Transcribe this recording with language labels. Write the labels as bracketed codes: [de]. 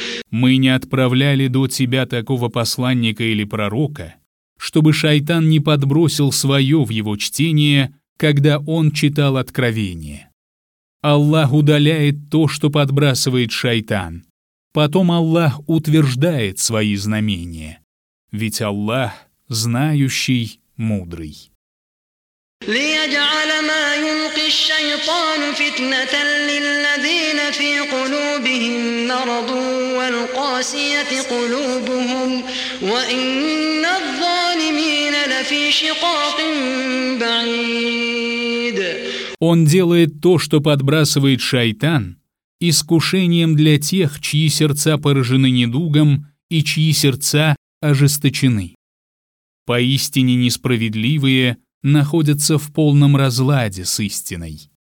[ru] Мы не отправляли до тебя такого посланника или пророка, чтобы шайтан не подбросил свое в его чтение, когда он читал откровение. Аллах удаляет то, что подбрасывает шайтан. Потом Аллах утверждает свои знамения. Ведь Аллах знающий, мудрый. [ar] ليجعل ما يلقي الشيطان فتنة للذين في قلوبهم مرض والقاسية قلوبهم وإن الظالمين لفي شقاق بعيد. [ru] Он делает то, что подбрасывает шайтан, искушением для тех, чьи сердца поражены недугом и чьи сердца ожесточены. Поистине несправедливые находятся в полном разладе с истиной.